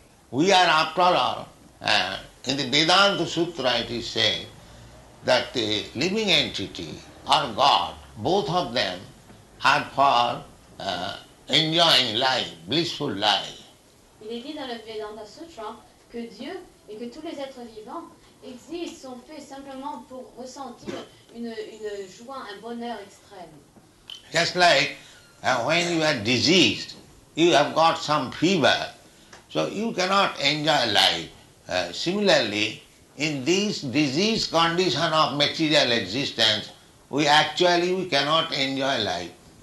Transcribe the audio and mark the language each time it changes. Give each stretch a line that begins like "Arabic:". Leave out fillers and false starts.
English: We are, after all, in the Vedanta Sutra it is said that the living entity or God, both of them are for enjoying life, blissful life.
French: Il est dit dans le Vedanta Sutra que Dieu et que tous les êtres vivants existent, sont faits simplement pour ressentir une joie, un bonheur extrême.
English: Just like when you are diseased, you have got some fever, so you cannot enjoy life. Similarly, in this diseased condition of material existence, we cannot enjoy life.